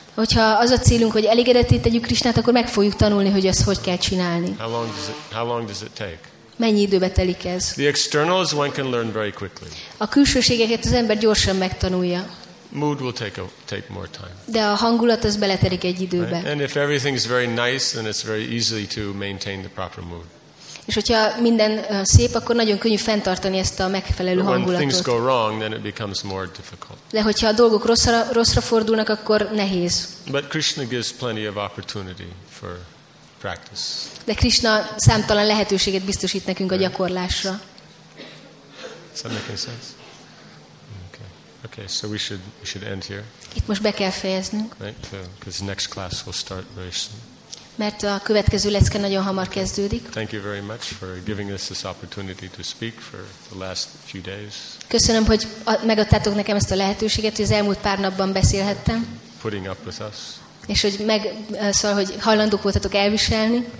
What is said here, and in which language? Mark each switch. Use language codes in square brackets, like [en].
[hu] Hogyha az a célunk, hogy elégedetítjük Krishnát, akkor meg fogjuk tanulni, hogy ezt hogy kell csinálni. [en] How long does it take? [hu] Mennyi időbe telik ez? [en] The externals one can learn very quickly. [hu] A külsőségeket az ember gyorsan megtanulja. [en] Mood will take more time. [hu] De a hangulat az beleterik egy időbe. [en] Right? And if everything is very nice, then it's very easy to maintain the proper mood. [hu] És hogyha minden szép, akkor nagyon könnyű fenntartani ezt a megfelelő hangulatot. [en] When things go wrong, then it becomes more difficult. [hu] De hogyha a dolgok rosszra fordulnak, akkor nehéz. [en] But Krishna gives plenty of opportunity for practice. [hu] De Krishna számtalan lehetőséget biztosít nekünk right. a gyakorlásra. [en] Does that make sense? Okay, so we should end here. [hu] Itt most be kell fejeznünk. [en] Right, because the next class will start very soon. [hu] Mert a következő lecke nagyon hamar kezdődik. [en] Thank you very much for giving us this opportunity to speak for the last few days. [hu] Köszönöm, hogy megadtátok nekem ezt a lehetőséget, hogy az elmúlt pár napban beszélhettem. [en] Putting up with us. [hu] És hogy szóval, hogy hajlandók voltatok elviselni.